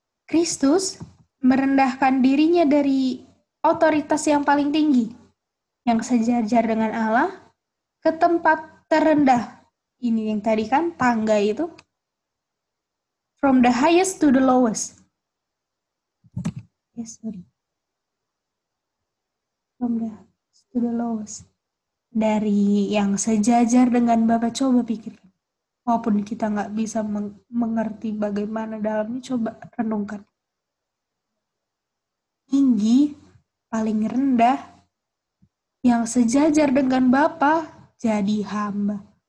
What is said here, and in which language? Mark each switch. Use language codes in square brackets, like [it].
[id] Kristus merendahkan dirinya dari otoritas yang paling tinggi, yang sejajar dengan Allah, ke tempat terendah. Ini yang tadi kan, tangga itu. [en] From the highest to the lowest. Yes, sorry. From the highest to the lowest. [id] Dari yang sejajar dengan Bapa, coba pikirkan. Walaupun kita nggak bisa mengerti bagaimana dalamnya, coba renungkan. Tinggi, paling rendah, yang sejajar dengan Bapa, jadi hamba.